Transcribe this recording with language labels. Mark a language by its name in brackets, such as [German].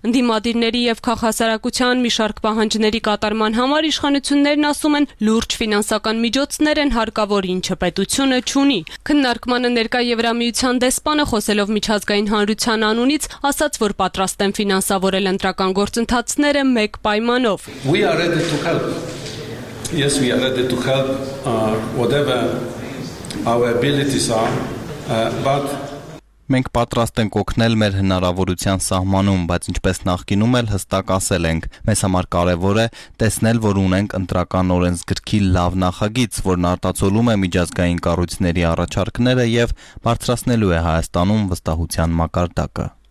[Armenian] Ընդդիմադիրների եւ քաղաքասարակության մի շարք պահանջների կատարման համար իշխանություններն ասում են, լուրջ ֆինանսական միջոցներ են հարկավոր, ինչը պետությունը չունի։ Քննարկմանը ներկա Եվրամիության դեսպանը, խոսելով միջազգային հանրության անունից, ասաց, որ պատրաստ են ֆինանսավորել ընտրական գործընթացները մեկ պայմանով։ [English] We are ready to help. Yes, we are ready to help whatever our abilities are, but [Armenian] մենք պատրաստ ենք օգնել մեր հնարավորության սահմանում, բայց ինչպես նախկինում էլ հստակ ասել ենք, մեզ համար կարևոր է տեսնել, որ ունենք ընտրական օրենսգրքի լավ նախագիծ, որն արտացոլում է միջազգային կառույցների առաջարկները եւ բարձրացնելու է Հայաստանում վստահության մակարդակը.